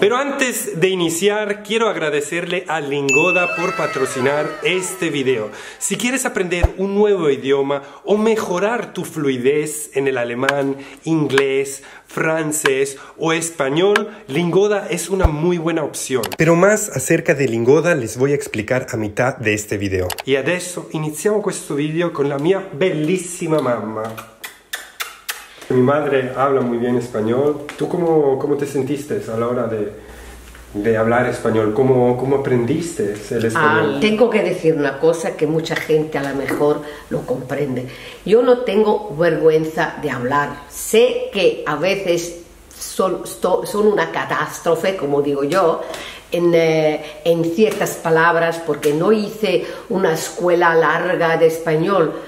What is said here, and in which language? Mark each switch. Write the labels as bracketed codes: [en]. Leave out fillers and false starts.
[es] Pero antes de iniciar, quiero agradecerle a Lingoda por patrocinar este video. Si quieres aprender un nuevo idioma o mejorar tu fluidez en el alemán, inglés, francés o español, Lingoda es una muy buena opción. Pero más acerca de Lingoda les voy a explicar a mitad de este video. [it] Y adesso iniziamo questo video con la mia bellissima mamma. [es] Mi madre habla muy bien español. ¿Tú cómo te sentiste a la hora de hablar español? ¿Cómo aprendiste el español? Ah, tengo que decir una cosa que mucha gente a lo mejor lo comprende. Yo no tengo vergüenza de hablar. Sé que a veces son una catástrofe, como digo yo, en ciertas palabras, porque no hice una escuela larga de español.